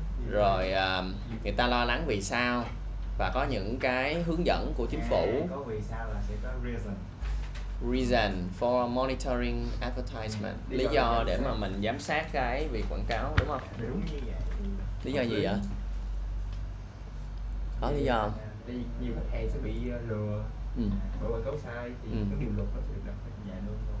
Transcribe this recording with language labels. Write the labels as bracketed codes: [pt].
[vi] Rồi người ta lo lắng vì sao. Và có những cái hướng dẫn của chính phủ. Có vì sao là sẽ có reason. [en] Reason for monitoring advertisement. [vi] Lý do để mà mình giám sát cái việc quảng cáo, đúng không? Đúng như vậy. Lý do gì vậy? Có lý do không? Nhiều khách hàng sẽ bị lừa. Bởi quảng cáo sai thì cái điều luật nó sẽ được đặt ra luôn.